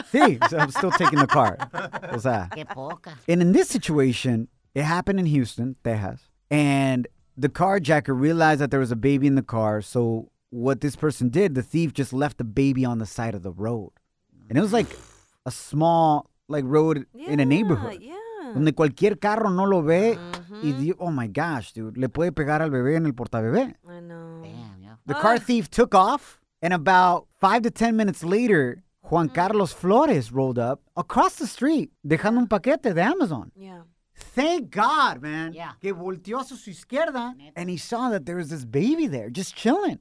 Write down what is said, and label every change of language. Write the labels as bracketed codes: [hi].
[en] Sí, so I'm still taking the car. [es] O sea. Qué poca. [en] And in this situation, it happened in Houston, Texas, and the carjacker realized that there was a baby in the car, so what this person did, the thief just left the baby on the side of the road. And it was like a small like road in a neighborhood. Yeah, [es] donde cualquier carro no lo ve, [en] oh my gosh, dude, [es] le puede pegar al bebé en el portabebé. [en] I know. Damn, yeah. The car thief took off, and about 5 to 10 minutes later, Juan Carlos Flores rolled up across the street, [es] dejando un paquete de Amazon. [en] Yeah. Thank God, man. Yeah. [es] Que volteó a su izquierda. [en] And he saw that there was this baby there just chilling.